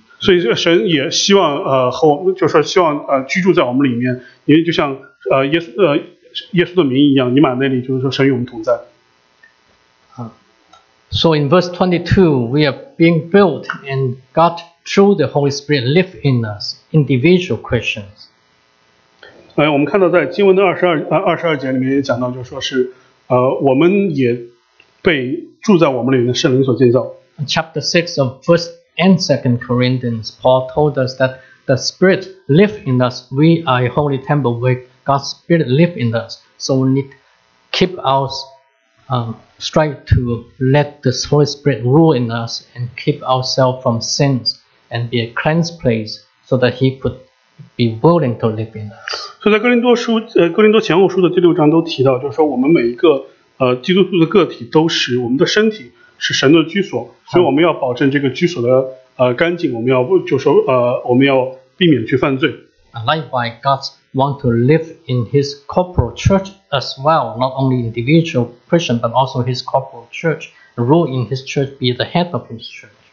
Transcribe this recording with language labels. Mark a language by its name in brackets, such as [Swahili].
[Chinese] 所以神也希望和我们，就是希望居住在我们里面，因为就像耶稣的名义一样，尼玛那里就是说神与我们同在。 [English] So in verse 22, we are being built and God through the Holy Spirit live in us, individual Christians. [Chinese] 我们看到在经文的22节里面也讲到，就是说是我们也被住在我们里面的圣灵所建造。 [English] Chapter 6 of 1st and 2nd Corinthians, Paul told us that the Spirit lives in us. We are a holy temple where God's Spirit lives in us. So we need to keep our strive to let the Holy Spirit rule in us and keep ourselves from sins and be a cleansed place so that He could be willing to live in us. [Chinese] 所以在哥林多前后书的第六章都提到，就是说我们每一个基督徒的个体都是我们的身体是神的居所，所以我们要保证这个居所的干净，我们要就说我们要避免去犯罪。 [English] Likewise, God wants to live in His corporate church as well, not only individual Christian but also His corporate church. Rule in His church, be the head of His church.